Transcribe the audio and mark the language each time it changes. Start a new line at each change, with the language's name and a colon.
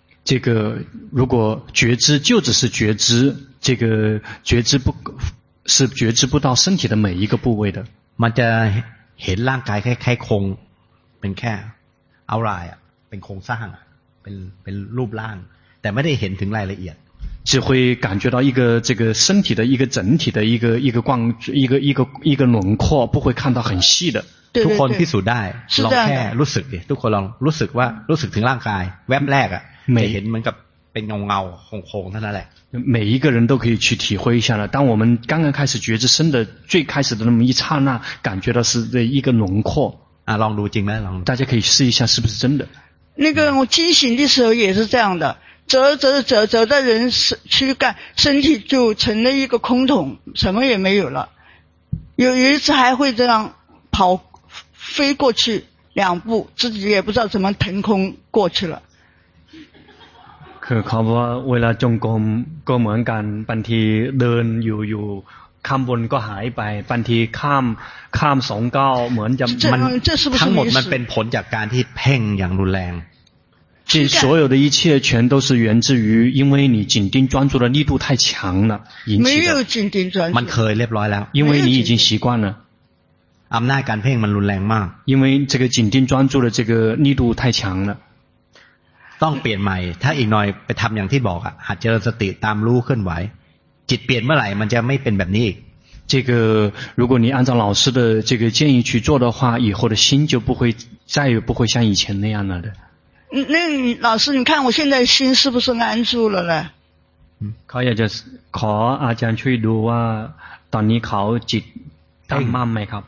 Chinese: 这个如果觉知就只是觉知这个觉知不是觉知不到身体的每一个部位的
Thai: มันจะเห็นร่างกายแค่คงเป็นแค่เอาไรเป็นโครงสร้างเป็นรูปร่าง
Chinese: 但没得很听来了一眼，只会感觉到一个这个身体的一个整体的一个轮廓，不会看到很细的。对对对，
Thai: ที่สุดได้ลองแค่รู้สึกดิทุกคนลองรู้สึกว่ารู้สึกถึงร่างกายแวบแรกอ่ะจะเห็นเหมือนกับเป็นเงาเงาโค้งๆนั่นแหละ
Chinese: 每一个人都可以去体会一下了。当我们刚刚开始觉知身的最开始的那么一刹那，感觉到是的一个轮廓
Thai: 啊，ลองดูจริงไหมลอง
Chinese: 大家可以试一下是不是真的。那个我惊醒的时候也是这样的，折的人躯干身体就成了一个空桶，什么也没有了。有一次还会这样跑飞过去两步，自己也不知道怎么腾空过去了。
Thai: คือเขาบอกว่าเวลาจงกรมก็เหมือนกันบางทีเดินอยู่ข้ามบนก็หายไปบางทีข้ามสองก้าวเหมือนจะ มัน ทั้งหมดมันเป็นผลจากการที่เพ่งอย่างรุนแรง
Chinese: 这所有的一切全都是源自于因为你紧盯专注的力度太强了引起的没有紧盯专注
Thai: มันเคยเรียบร้อยแล้ว
Chinese: 因为你已经习惯了
Thai: อำนาจการเพ่งมันรุนแรงมาก
Chinese: 因为这个紧盯专注的这个力度太强了
Thai: ต้องเปลี่ยนใหม่ถ้าอีกหน่อยไปทำอย่างที่บอกอ่ะหัดเจริญสติตามรู้เคลื่อนไหวจิตเปลี่ยนเมื่อไหร่มันจะไม่เป็นแบบนี้อีก
Chinese: 这个如果你按照老师的这个建议去做的话以后的心就不会再也不会像以前那样了的那老师你看我现在心是不是安住了呢
Thai: เขาอยากจะขออาจารย์ช่วยดูว่าตอนนี้เขาจิตตั้งมั่นไหมครับ